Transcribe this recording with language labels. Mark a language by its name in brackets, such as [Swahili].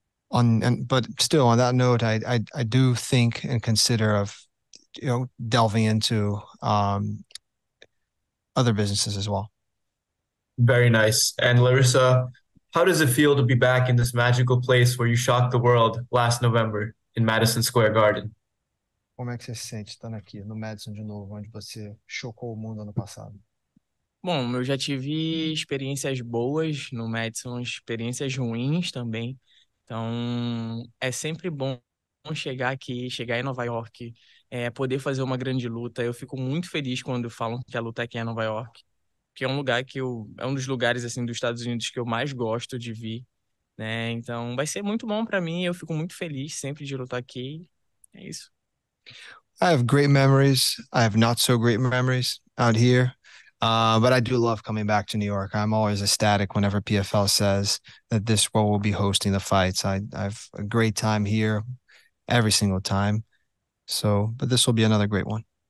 [English] But still, on that note, I do think and consider of, delving into other businesses as well. Very nice. And Larissa, how does it feel to be back in this magical place where you shocked the world last November in Madison Square Garden? [Portuguese] Como é que você se sente estando aqui no Madison de novo, onde você chocou o mundo ano passado? Bom, eu já tive experiências boas no Madison, experiências ruins também. Então, é sempre bom chegar aqui, chegar em Nova York, poder fazer uma grande luta. Eu fico muito feliz quando falam que a luta aqui é Nova York. Que é um lugar que eu. É um dos lugares, assim, dos Estados Unidos que eu mais gosto de vir, né? Então, vai ser muito bom para mim. Eu fico muito feliz sempre de lutar aqui. É isso. [English] I have great memories. I have not so great memories out here. But I do love coming back to New York. I'm always ecstatic whenever PFL says that this world will be hosting the fights. I've a great time here every single time. So, but this will be another great one.